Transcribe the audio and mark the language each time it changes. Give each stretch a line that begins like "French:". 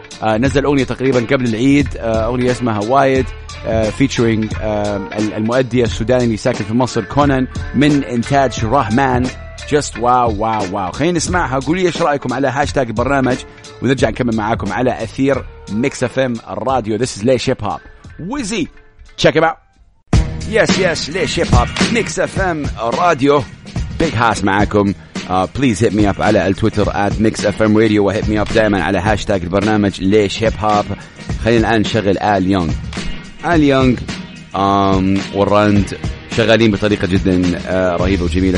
Arabic: نزل أغنية تقريبا قبل العيد, أغنية اسمها وايد featuring المؤدي السوداني ساكن في مصر كونان, من إنتاج رحمان.
English: just wow wow wow.
Arabic: خلينا نسمعها، قولي ايش رايكم على هاشتاج برنامج، ونرجع نكمل معاكم على اثير ميكس اف ام الراديو.
English: This is Laish Hip Hop Wizzy, check it out. Yes yes, Laish Hip Hop mix F M الراديو.
Arabic: Big Hass معاكم.
English: Please hit me up
Arabic: على التويتر
English: at MixFM Radio, وhit me up
Arabic: دائما على هاشتاج البرنامج
English: Laish hip hop.
Arabic: خلينا الآن نشغل آل يونغ. آل يونغ والراند شغالين بطريقة جدا رهيبة وجميلة.